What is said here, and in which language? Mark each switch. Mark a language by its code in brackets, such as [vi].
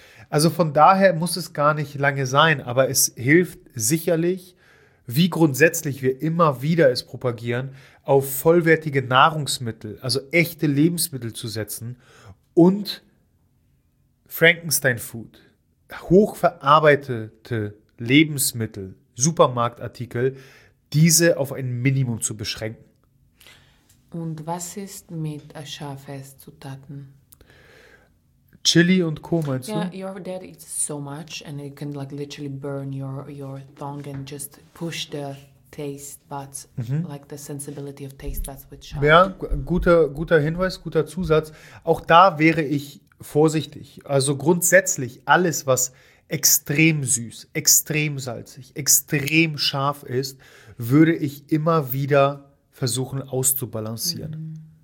[de] Also von daher muss es gar nicht lange sein, aber es hilft sicherlich, wie grundsätzlich wir immer wieder es propagieren, auf vollwertige Nahrungsmittel, also echte Lebensmittel zu setzen und Frankenstein-Food, hochverarbeitete Lebensmittel, Supermarktartikel, diese auf ein Minimum zu beschränken. Und was ist mit scharfen Zutaten? Chili und Co. meinst du? [en] Yeah, your dad eats so much and it can like literally burn your tongue and just push the taste buds, like the sensibility of taste buds with sharp. [de] Ja, guter Hinweis, guter Zusatz. Auch da wäre ich vorsichtig. Also grundsätzlich alles, was extrem süß, extrem salzig, extrem scharf ist, würde ich immer wieder versuchen auszubalancieren.